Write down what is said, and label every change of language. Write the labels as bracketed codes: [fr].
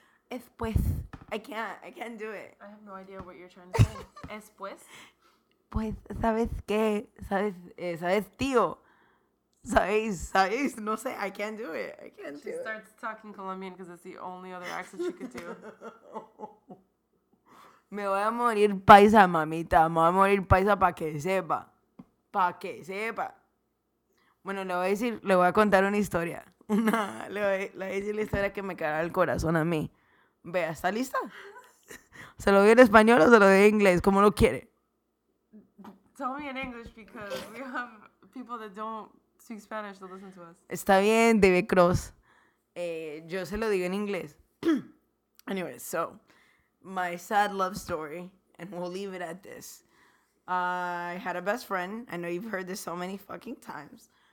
[es] Es pues. [en] I can't do it. I have no idea what you're trying to say. [es] Es pues. Pues, ¿sabes qué? ¿Sabes tío? ¿Sabes? No sé. [en] I can't do it. She starts talking Colombian because it's the only other accent she could do. [es] Me voy a morir paisa, mamita. Me voy a morir paisa pa' que sepa. Pa' que sepa. Bueno, le voy a contar una historia. Le voy a decir la historia que me cagará el corazón a mí. Vea, ¿está lista? ¿Se lo doy en español o se lo doy en inglés? ¿Cómo lo quiere? [en] Tell me in English because we have people that don't speak Spanish that listen to us. [es] Está bien, David Cross. Yo se lo digo en inglés. [en] Anyways, so my sad love story, and we'll leave it at this. I had a best friend. I know you've heard this so many fucking times.